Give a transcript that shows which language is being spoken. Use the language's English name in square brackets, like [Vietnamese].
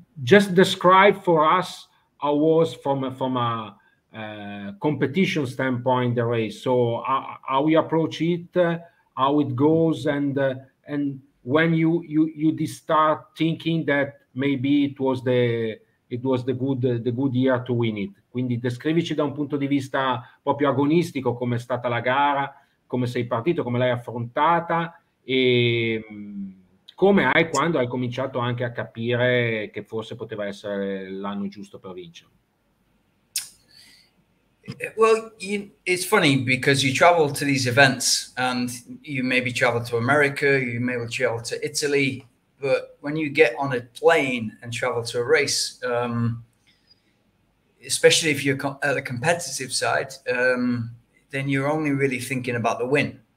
[English] Just describe for us how was from a competition standpoint the race. So how we approach it, how it goes, and when you did start thinking that maybe it was the good year to win it. [Italian] Quindi descrivici da un punto di vista proprio agonistico come è stata la gara, come sei partito, come l'hai affrontata e quando hai cominciato anche a capire che forse poteva essere l'anno giusto per vincere. [English] Well, it's funny because you travel to these events and you maybe travel to America, you maybe travel to Italy, but when you get on a plane and travel to a race, especially if you're at the competitive side, then you're only really thinking about the win.